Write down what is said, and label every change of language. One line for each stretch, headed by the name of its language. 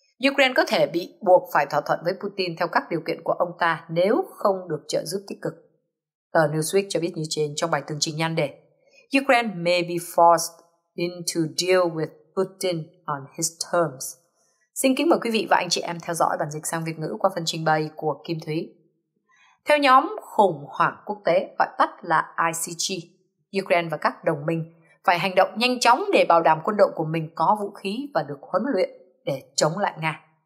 Vietnamese: Ukraine có thể bị buộc phải thỏa thuận với Putin theo các điều kiện của ông ta nếu không được trợ giúp tích cực. Tờ Newsweek cho biết như trên trong bài tường trình nhan đề.
English: Ukraine may be forced into deal with Putin on his terms.
Vietnamese: Xin kính mời quý vị và anh chị em theo dõi bản dịch sang Việt ngữ qua phần trình bày của Kim Thúy. Theo nhóm khủng hoảng quốc tế gọi tắt là ICG, Ukraine và các đồng minh phải hành động nhanh chóng để bảo đảm quân đội của mình có vũ khí và được huấn luyện để chống lại Nga.